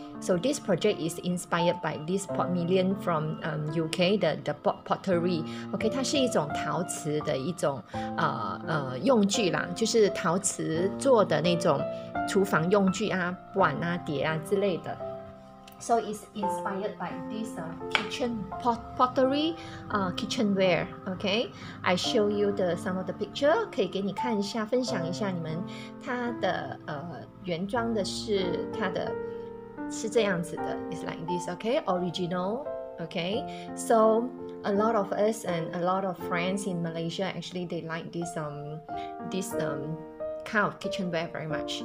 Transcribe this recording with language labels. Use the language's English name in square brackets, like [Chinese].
[English] So this project is inspired by this Podmillion from UK 的 the pottery. [Chinese] OK， 它是一种陶瓷的一种用具啦，就是陶瓷做的那种厨房用具啊，碗啊、碟啊之类的。 [English] So it's inspired by this kitchen pottery, kitchenware. Okay, I show you the some of the picture. [Chinese] 可以给你看一下，分享一下你们它的原装的是它的。是这样子的 ， [English] It's like this, okay? Original, okay? So a lot of us and a lot of friends in Malaysia actually they like this kind of kitchenware very much.